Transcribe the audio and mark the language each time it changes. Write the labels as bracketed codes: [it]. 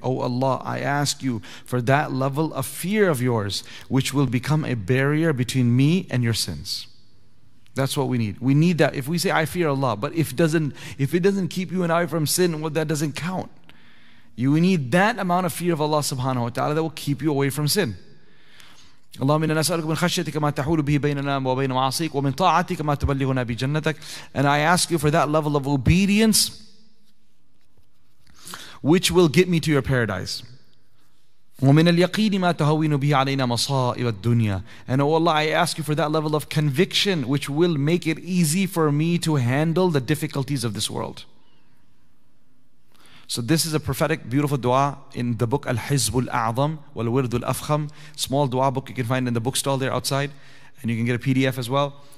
[en] O Allah, I ask You for that level of fear of Yours, which will become a barrier between me and Your sins. That's what we need. We need that. If we say, I fear Allah, but if it doesn't keep you and I from sin, well, that doesn't count. You need that amount of fear of Allah subhanahu wa ta'ala that will keep you away from sin. [ar] اللهم إنا نسألك من خشيتك ما تحول به بيننا وبين معاصيك ومن طاعتك ما تبلغنا بجنتك. [en] And I ask You for that level of obedience which will get me to Your paradise. [ar] ومن اليقين ما تهون به علينا مصائب الدنيا. [en] And oh Allah, I ask You for that level of conviction which will make it easy for me to handle the difficulties of this world. So this is a prophetic, beautiful dua in the book Al-Hizb Al-A'zam Wal-Wird Al-Afkham. Small dua book you can find in the bookstall there outside. And you can get a PDF as well.